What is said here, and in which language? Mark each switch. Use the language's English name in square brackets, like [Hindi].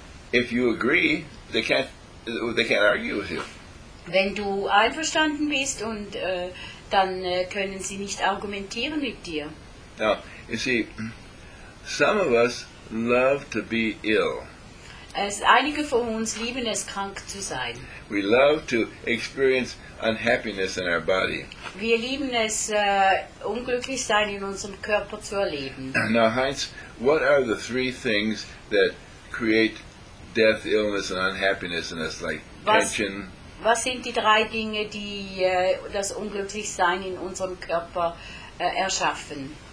[English] If you agree, they can't argue with you. [German] Wenn du einverstanden bist und dann können sie nicht argumentieren mit dir. [English] Now, you see, some of us love to be ill. [German] Einige von uns lieben es, krank zu sein. [English] We love to experience unhappiness in our body. [German] Wir lieben es, unglücklich sein in unserem Körper zu erleben. [English] Now, Heinz, what are the three things that create death, illness and unhappiness in us, like tension? [German] Was sind die drei Dinge, die das Unglücklichsein in unserem Körper erschaffen?